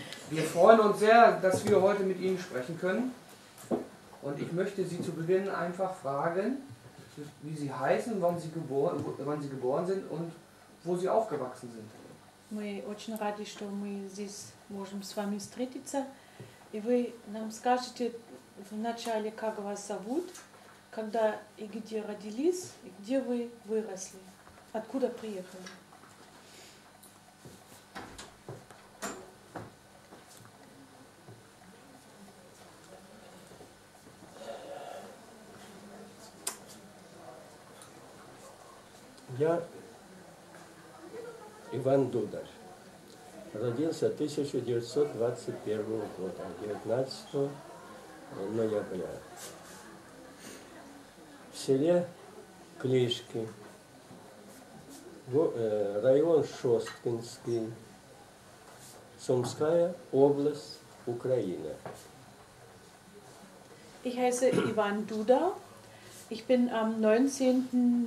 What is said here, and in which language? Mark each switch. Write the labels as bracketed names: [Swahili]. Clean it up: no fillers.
[German] Wir freuen uns sehr, dass wir heute mit Ihnen sprechen können. Und ich möchte Sie zu Beginn einfach fragen, wie Sie heißen, wann Sie geboren sind und wo Sie aufgewachsen sind. [Russian] Мы очень рады, что мы здесь можем с вами встретиться, и вы нам скажете вначале, как вас зовут, когда и где родились, и где вы выросли, откуда приехали. Я Иван Дударь. Родился 1921 года, 19 ноября. В селе Клишки, район Шосткинский, Сумская область, Украина. [German] Ich heiße Иван Дуда. Ich bin am 19.